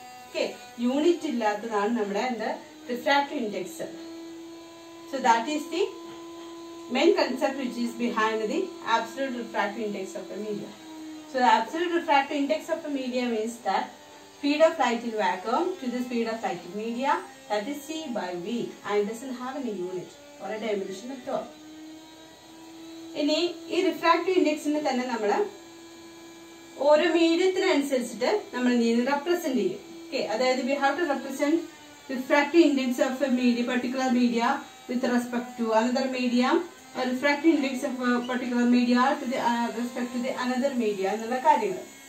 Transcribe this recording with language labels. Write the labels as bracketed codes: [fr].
[ml] Okay, unit ഇല്ലാത്തതാണ് നമ്മുടെ എന്ത്? Refractive index. [en] So that is the main concept which is behind the absolute refractive index of a medium. So absolute refractive index of a medium means that speed of light in vacuum to the speed of light in medium. That is C by V and doesn't have any unit or a dimension at all. [ml] ഇനി ഈ refractive ഇൻഡെക്സിനെ തന്നെ നമ്മൾ ഓരോ മീഡിയത്തിനനുസരിച്ചിട്ട് നമ്മൾ represent ചെയ്യും. [en] okay, അതായത് we have to represent refractive index of a media particular media with respect to another media, refractive index of particular media respect to the another media [ml] എന്നുള്ള കാര്യങ്ങൾ.